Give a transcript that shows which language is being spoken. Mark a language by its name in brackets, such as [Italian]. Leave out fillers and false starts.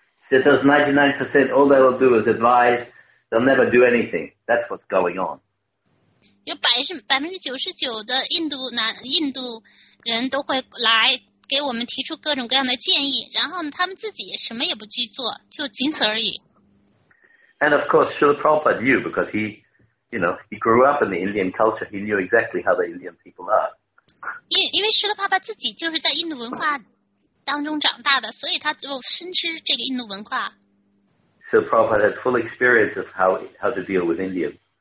[English] So those 99%, all they will do is advise. They'll never do anything. That's what's going on. [Chinese] 有99%的印度人都会来给我们提出各种各样的建议，然后他们自己什么也不去做，就仅此而已。 [English] And of course, Srila Prabhupada knew because he, you know, he grew up in the Indian culture. He knew exactly how the Indian people are. [Chinese] 因为Srila Prabhupada自己就是在印度文化当中长大的，所以他就深知这个印度文化。 [English] So Prabhupada had full experience of how to deal with Indians.